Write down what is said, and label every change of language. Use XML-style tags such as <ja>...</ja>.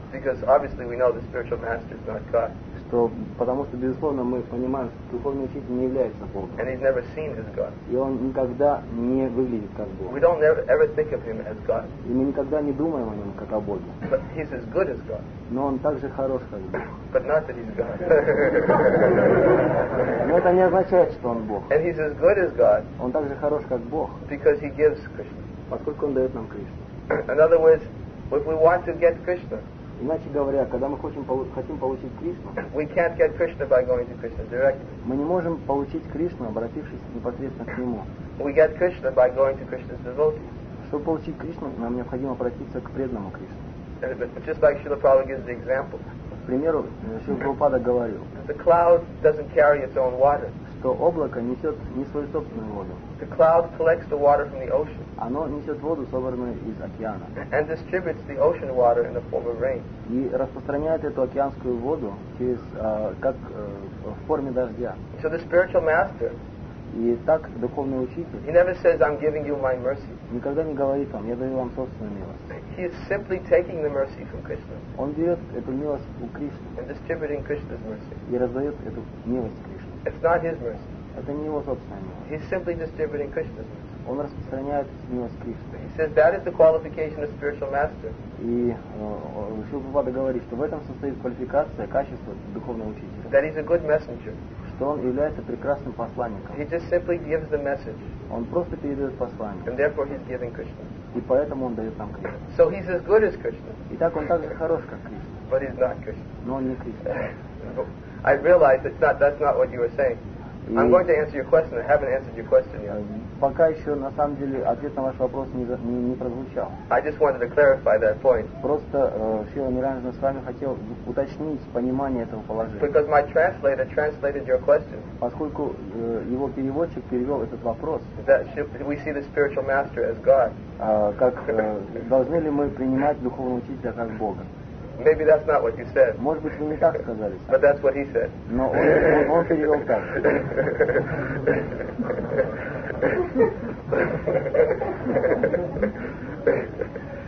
<en>Because obviously we know the spiritual master is not God.</en> <ru>Что, потому что, безусловно, мы понимаем, что духовный учитель не является Богом.</ru> <en>And he's never seen as God.</en> <ru>И он никогда не выглядит как Бог.</ru> <en>We don't ever think of him as God.</en> <ru>И мы никогда не думаем о нем, как о Боге.</ru> <en>But he's as good as God.</en> <ru>Но он также хорош, как Бог.</ru> <en>But not that he's God.</en> <ru>Но это не означает, что он Бог.</ru> <en>And he's as good as God.</en> <ru>Он также хорош, как Бог.</ru> <en>Because he gives Krishna.</en> <ru>Поскольку он дает нам Кришну.</ru> <en>In other words, if we want to get Krishna,</en> <ru>иначе говоря, когда мы хотим получить Кришну,</ru> <en>we can't get Krishna by going to Krishna directly.</en> <ru>Мы не можем получить Кришну, обратившись непосредственно к нему.</ru> <en>We get Krishna by going to Krishna's devotees.</en> <ru>Чтобы получить Кришну, нам необходимо обратиться к преданному Кришне.</ru> <en>Just like Srila Prabhupada gives the example.</en> <ru>К примеру, Шрила Прабхупада говорил,</ru> <en>the cloud doesn't carry its own water.</en> <ru>то облако несет не свою собственную воду.</ru> <en>The cloud collects the water from the ocean.</en> <ru>Оно несет воду, собранную из океана.</ru> <en>And distributes the ocean water in the form of rain.</en> <ru>И распространяет эту океанскую воду через, как в форме дождя.</ru> <en>So the spiritual master.</en> <ru>И так духовный учитель.</ru> <en>He never says, "I'm giving you my mercy."</en> <ru>Никогда не говорит вам, я даю вам собственную милость.</ru> <en>He is simply taking the mercy from Krishna.</en> <ru>Он берет эту милость у Кришны.</ru> <en>And distributing Krishna's mercy.</en> <ru>И раздает эту милость Кришне.</ru> <en>It's not his mercy.</en> <ru>Это не его собственная милость.</ru> <en>He's simply distributing Krishna's mercy.</en> <ru>Он распространяет милость Кришны.</ru> <en>He says that is the qualification of spiritual master.</en> <ru>И Шрила Прабхупада говорит, что в этом состоит квалификация, качество духовного учителя.</ru> <en>That he's a good messenger.</en> <ru>Что он является прекрасным посланником.</ru> <en>He just simply gives the message.</en> <ru>Он просто передает послание.</ru> <en>And therefore he's giving Krishna.</en> <ru>И поэтому он дает нам Кришну.</ru> <en>So he's as good as Krishna.</en> <ru>Итак, он так же хорош, как Кришна.</ru> <en>But he's not Krishna.</en> <ru>Но он не Кришна.</ru> <en>I realize that's not what you were saying. I'm going to answer your question. I haven't answered your question yet.</en> <ru>Пока еще на самом деле ответ на ваш вопрос не прозвучал.</ru> <en>I just wanted to clarify that point.</en> <ru>Просто Шрила Ниранджана с вами хотел уточнить понимание этого положения.</ru> <en>Because my translator translated your question.</en> <ru>Поскольку его переводчик перевел этот вопрос.</ru> <en>That should we see the spiritual master as God?</en> <ru>Как должны ли мы принимать духовного учителя как Бога?</ru> <en>Maybe that's not what you said.</en> <ru>Может быть, вы не так сказали.</ru> <en>But that's what he said.</en> <ru>Но он перевел так.</ru>